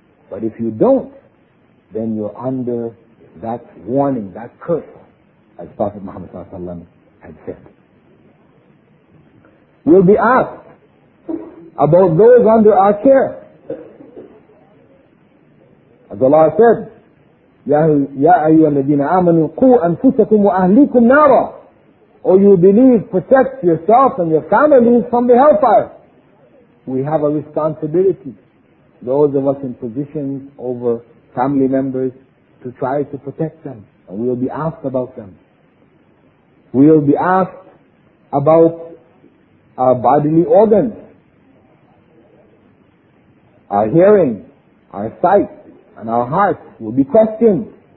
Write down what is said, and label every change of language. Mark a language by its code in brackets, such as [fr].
[en] But if you don't, then you're under that warning, that curse, as Prophet Muhammad ﷺ had said. We'll be asked about those under our care. As Allah said, [ar] يَا أَيُّهَا الَّذِينَ آمَنُوا قُوا أَنفُسَكُمْ وَأَهْلِيكُمْ نَارًا [en] or you believe protects yourself and your family from the hellfire. We have a responsibility, those of us in positions over family members, to try to protect them, and we'll be asked about them. We'll be asked about our bodily organs, our hearing, our sight, and our heart will be questioned.